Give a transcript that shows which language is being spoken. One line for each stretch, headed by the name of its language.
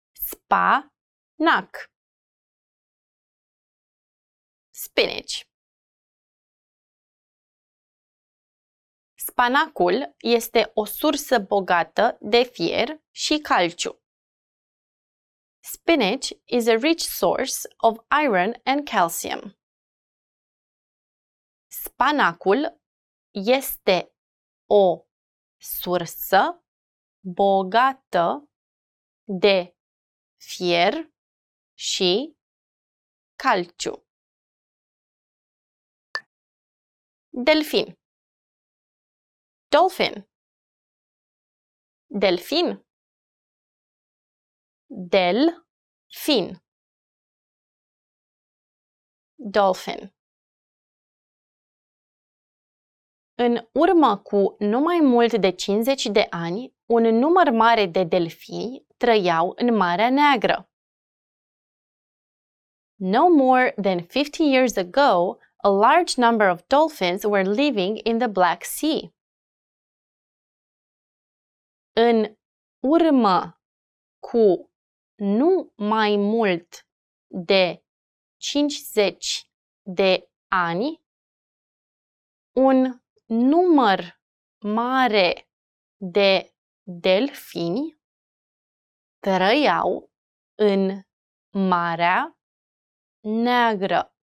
Romanian: Spanac.
English: Spinach.
Romanian: Spanacul este o sursă bogată de fier și calciu.
English: Spinach is a rich source of iron and calcium.
Romanian: Spanacul este o sursă bogată de fier și calciu. Delfin.
English: Dolphin.
Romanian: Delfin. Delfin.
English: Dolphin.
Romanian: În urmă cu numai mult de 50 de ani, un număr mare de delfini trăiau în Marea Neagră.
English: No more than 50 years ago, a large number of dolphins were living in the Black Sea.
Romanian: În urmă cu nu mai mult de 50 de ani, un număr mare de delfini trăiau în Marea Neagră.